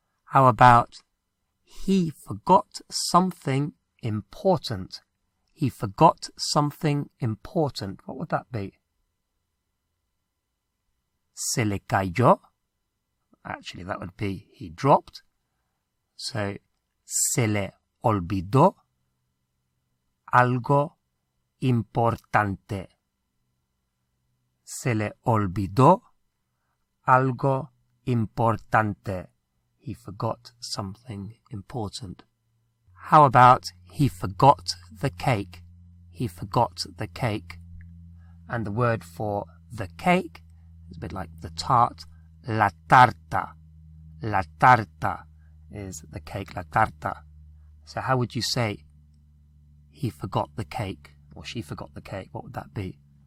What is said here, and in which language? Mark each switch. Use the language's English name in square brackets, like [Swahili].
[English] How about, he forgot something important? He forgot something important. What would that be? [Spanish] Se le cayó. [English] Actually, that would be he dropped. [Spanish] So, se le olvidó algo importante. Se le olvidó algo importante. [English] he forgot something important. How about he forgot the cake? He forgot the cake. And the word for the cake is a bit like the tart, la tarta. La tarta is the cake, la tarta. So how would you say he forgot the cake or she forgot the cake? What would that be?